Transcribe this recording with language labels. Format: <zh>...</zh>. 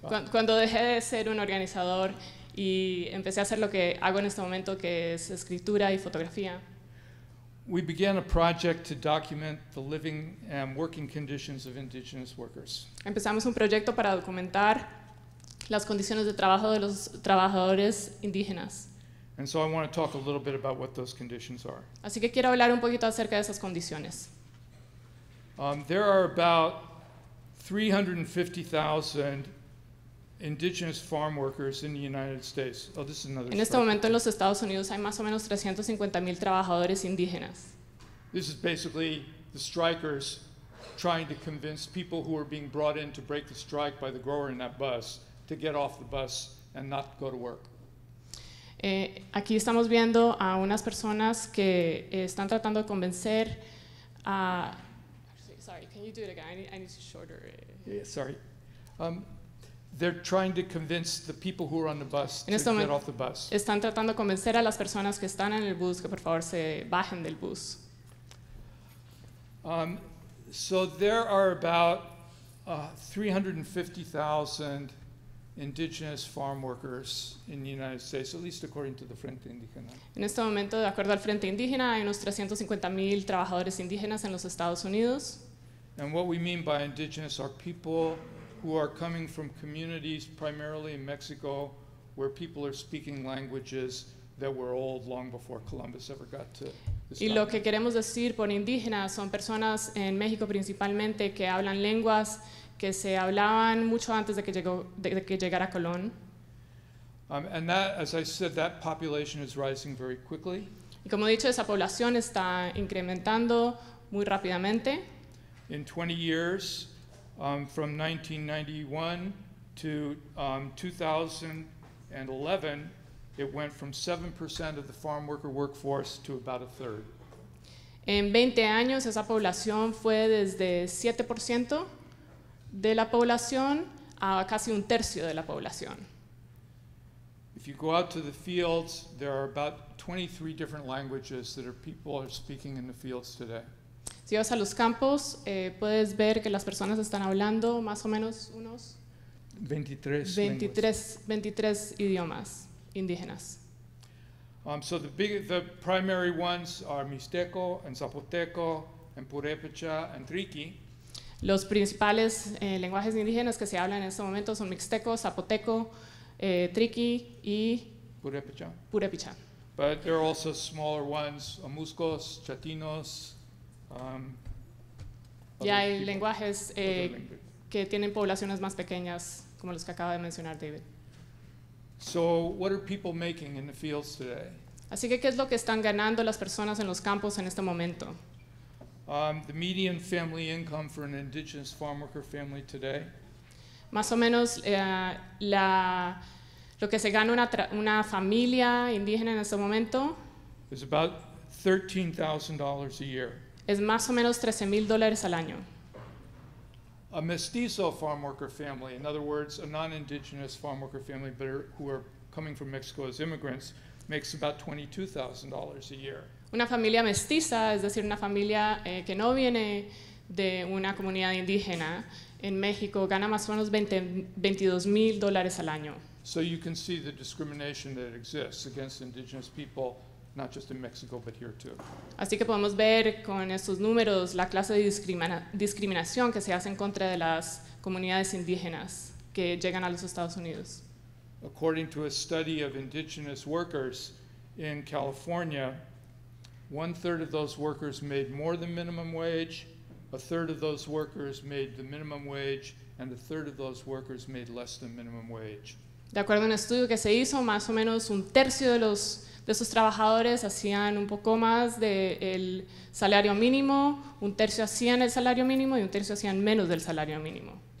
<es>Cuando dejé de ser un organizador y empecé a hacer lo que hago en este momento, que es escritura y fotografía.</es> <en>We began a project to document the living and working conditions of indigenous workers.</en> <es>Empezamos un proyecto para documentar las condiciones de trabajo de los trabajadores indígenas.</es> <en>And so I want to talk a little bit about what those conditions are.</en> <es>Así que quiero hablar un poquito acerca de esas condiciones.</es> <en>There are about 350,000 indigenous farm workers in the United States. Oh, this is another slide.</en> <es>En este momento en los Estados Unidos hay más o menos 350,000 trabajadores indígenas.</es> <en>This is basically the strikers trying to convince people who are being brought in to break the strike by the grower in that bus to get off the bus and not go to work.</en> <es>Aquí estamos viendo a unas personas que están tratando de convencer a...</es> <en>Sorry, can you do it again? I need to shorter it. Yeah, sorry. They're trying to convince the people who are on the bus to get off the bus.</en> <es>Están tratando de convencer a las personas que están en el bus que por favor se bajen del bus.</es> <en>So there are about 350,000 indigenous farm workers in the United States, at least according to the Frente Indígena.</en> <es>En este momento, de acuerdo al Frente Indígena, hay unos 350,000 trabajadores indígenas en los Estados Unidos.</es> <en>And what we mean by indigenous are people who are coming from communities primarily in Mexico, where people are speaking languages that were old long before Columbus ever got to this</en> <es>Y lo que queremos decir por indígenas son personas en México principalmente que hablan lenguas que se hablaban mucho antes de que llegó, de que llegara Colón.</es> <en>And that, as I said, that population is rising very quickly.</en> <es>Y como he dicho, esa población está incrementando muy rápidamente.</es> <en>In 20 years, from 1991 to 2011, it went from 7% of the farm worker workforce to about a third.</en> <es>En 20 años, esa población fue desde 7% de la población a casi un tercio de la población.</es> <en>If you go out to the fields, there are about 23 different languages that are people are speaking in the fields today.</en> <es>Si vas a los campos, puedes ver que las personas están hablando más o menos unos 23 idiomas indígenas.</es> <en>So the primary ones are Mixteco and Zapoteco and Purépecha and Triqui.</en> <es>Los principales lenguajes indígenas que se hablan en este momento son Mixteco, Zapoteco, Triqui y Purépecha. Purépecha.</es> <en>But there are also smaller ones, Omuscos, Chatinos,</en> <es>Y hay lenguajes que tienen poblaciones más pequeñas, como los que acaba de mencionar David.</es> <en>So, what are people making in the fields today?</en> <es>Así que, ¿qué es lo que están ganando las personas en los campos en este momento?</es> <en>The median family income for an indigenous farm worker family today.</en> <es>Más o menos lo que se gana una familia indígena en este momento</es> <en>is about $13,000 a year.</en> <es>Es más o menos $13,000 al año.</es> <en>A mestizo farm worker family, in other words, a non-indigenous farm worker family, but who are coming from Mexico as immigrants, makes about $22,000 a year.</en> <es>Una familia mestiza, es decir, una familia que no viene de una comunidad indígena en México, gana más o menos $22,000 al año.</es> <en>So you can see the discrimination that exists against indigenous people. Not just in Mexico, but here too.</en> <es>Así que podemos ver con estos números la clase de discriminación que se hace en contra de las comunidades indígenas que llegan a los Estados Unidos.</es> <en>According to a study of indigenous workers in California, one third of those workers made more than minimum wage, a third of those workers made the minimum wage, and a third of those workers made less than minimum wage.</en> <es>De acuerdo a un estudio que se hizo, más o menos un tercio de esos trabajadores hacían un poco más del salario mínimo, un tercio hacían el salario mínimo y un tercio hacían menos del salario mínimo.</es>